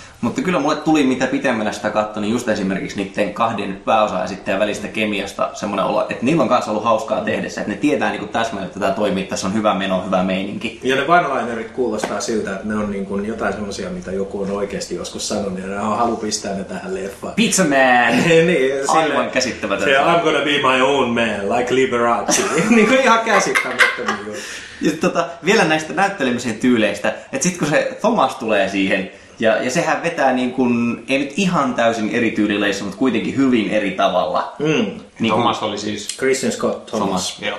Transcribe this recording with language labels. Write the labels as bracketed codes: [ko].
[fi] Mutta kyllä mulle tuli, mitä pitemmänä sitä katsoin, niin just esimerkiksi niiden kahden pääosaesittäjän välistä kemiasta semmoinen olo, että niillä on kanssa ollut hauskaa tehdessä, että ne tietää niin kuin täsmälleen, että tämä toimii, tässä on hyvä meno, hyvä meininki. Ja ne one-linerit kuulostaa siltä, että ne on niin kuin jotain semmoisia, mitä joku on oikeasti joskus sanonut, ja ne on halu pistää ne tähän leffaan. [en] Pizza man! [fi] Niin, sille, aivan käsittämätön. Se, [en] I'm gonna be my own man, like Liberace. [fi] Niin kuin ihan käsittämättömän. Ja vielä näistä näyttelemisen tyyleistä, että sitten kun se Thomas tulee siihen, ja sehän vetää niin kuin, ei nyt ihan täysin eri tyylileissä, mutta kuitenkin hyvin eri tavalla. Mm. Niin Thomas kun oli siis Christian Scott Thomas. Thomas.